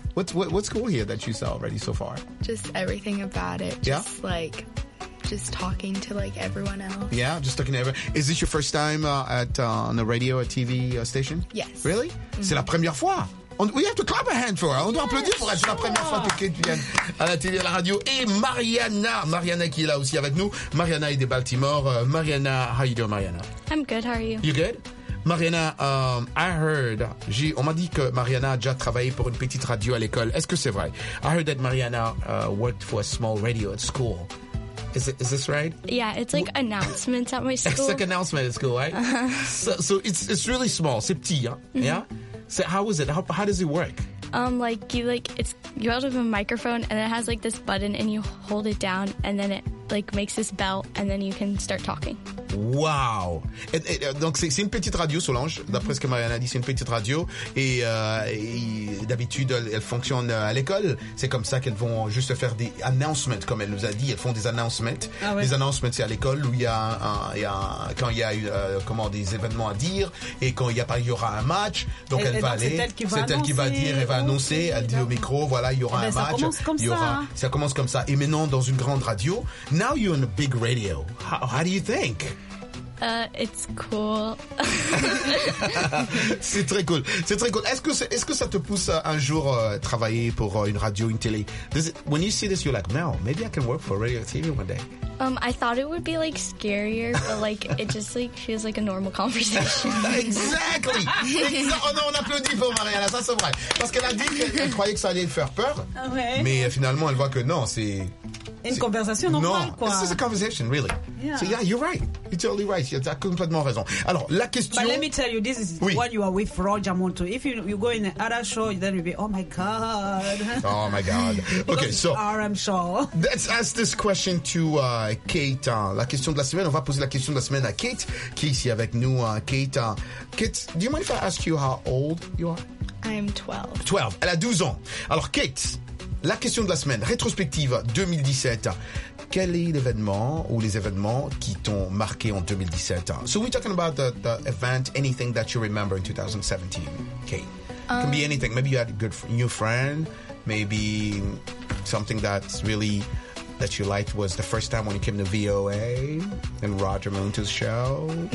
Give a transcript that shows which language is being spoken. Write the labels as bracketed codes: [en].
[en] What's cool here that you saw already so far? Just everything about it. Just yeah? Like, just talking to like everyone else. Yeah, just talking to everyone. Is this your first time on a radio or TV station? Yes. Really? Mm-hmm. [fr] C'est la première fois. [en] We have to clap a hand for her. [fr] On doit applaudir pour être la première fois que Kate vient à la télé, à la radio. Et Mariana qui est là aussi avec nous. Mariana est de Baltimore. [en] Mariana, how you doing, Mariana? I'm good, how are you? You good? [fr] Mariana, on m'a dit que Mariana a déjà travaillé pour une petite radio à l'école. Est-ce que c'est vrai? [en] I heard that Mariana worked for a small radio at school. Is this right? Yeah, it's like announcements at my school. It's like announcements at school, right? So it's really small. [fr] C'est petit, hein? [en] Mm-hmm. Yeah? So how is it? How does it work? You hold up a microphone and it has like this button and you hold it down and then it like makes this bell and then you can start talking. Wow! [fr] Donc c'est une petite radio Solange, d'après ce que Mariana a dit, c'est une petite radio et d'habitude elle fonctionne à l'école. C'est comme ça qu'elles vont juste faire des announcements, comme elle nous a dit. Elles font des announcements. Ah ouais. Des announcements, c'est à l'école où il y a des événements à dire et quand il y aura un match, donc elle va annoncer, elle dit au micro, voilà, il y aura un match. Ça commence comme ça. Et maintenant dans une grande radio. [en] Now you're in a big radio. How do you think? It's cool. [fr] C'est très cool. C'est très cool. Est-ce que ça te pousse un jour travailler pour une radio, une télé? [en] When you see this, you're like, no, maybe I can work for radio TV one day. I thought it would be like scarier, but like it just like feels like a normal conversation. [fr] Exactly. On applaudit pour Mariana, ça c'est vrai. Parce qu'elle a dit qu'elle croyait que ça allait lui faire peur. [en] Okay. [fr] Mais finalement, elle voit que non, c'est... Une conversation normale, non. Quoi. [en] This is a conversation, really. Yeah. So, yeah, you're right. You're totally right. You have [fr] complètement raison. Alors, la question... [en] But let me tell you, this is what you are with Roger Monto. If you go in another show, then you'll be, oh, my God. Oh, my God. Okay, so... RM Show. Let's ask this question to Kate. [fr] La question de la semaine. On va poser la question de la semaine à Kate, qui est ici avec nous. [en] Kate, do you mind if I ask you how old you are? I am 12. [fr] 12. Elle a 12 ans. Alors, Kate... La question de la semaine, rétrospective 2017. Quel est l'événement ou les événements qui t'ont marqué en 2017? [en] So we're talking about the event, anything that you remember in 2017, Kate. It can be anything. Maybe you had a good new friend. Maybe something that's really, that you liked was the first time when you came to VOA and Roger Moon's show.